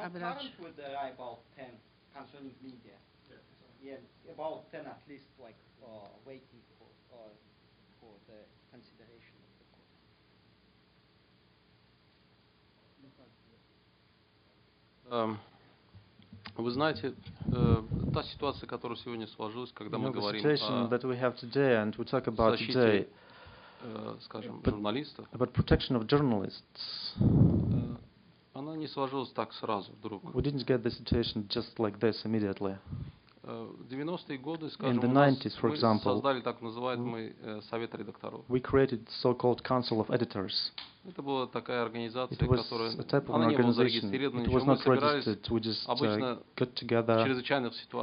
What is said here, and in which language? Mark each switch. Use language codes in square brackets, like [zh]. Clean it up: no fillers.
[en] would not. Current would there about 10 concerning media. Yeah, about 10 at least, like waiting for the consideration of the court. [ru] Вы знаете, та ситуация, которая сегодня сложилась, когда мы говорим о защите, скажем, журналистов, [en] about protection of journalists, [ru] она не сложилась так сразу, вдруг. [en] We didn't get the situation just like this immediately. [ru] В 90-е годы, скажем, мы создали так называемый совет редакторов. [en] We created so-called Council of Editors. [ru] Это была такая организация, которая не была зарегистрирована, ничего. Мы собирались обычно в чрезвычайных